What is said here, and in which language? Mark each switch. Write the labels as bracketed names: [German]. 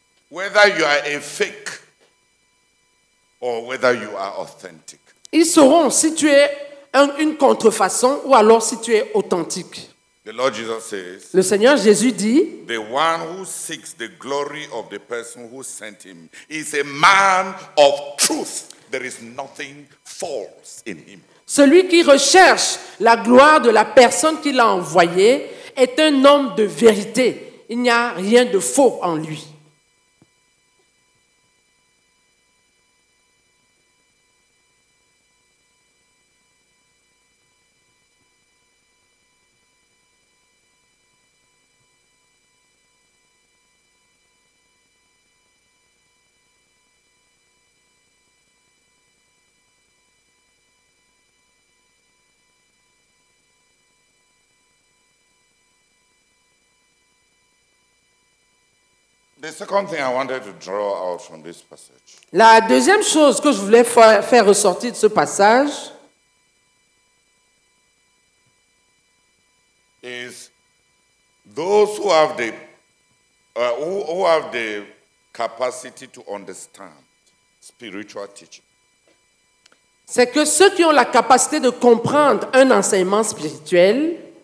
[English] Whether you are a fake or whether you are authentic. [French] Ils sauront si tu es une contrefaçon ou alors si tu es authentique. [English] The Lord Jesus says, [French] le Seigneur Jésus dit, [English] the one who seeks the glory of the person who sent him is a man of truth. There is nothing false in him. [French] Celui qui recherche la gloire de la personne qui l'a envoyé est un homme de vérité. Il n'y a rien de faux en lui. [English] The second thing I wanted to draw out from this passage. [French] La deuxième chose que je voulais faire ressortir de ce passage [English] is those who have the who have the capacity to understand spiritual teaching. [French] C'est que ceux qui ont la capacité de comprendre un enseignement spirituel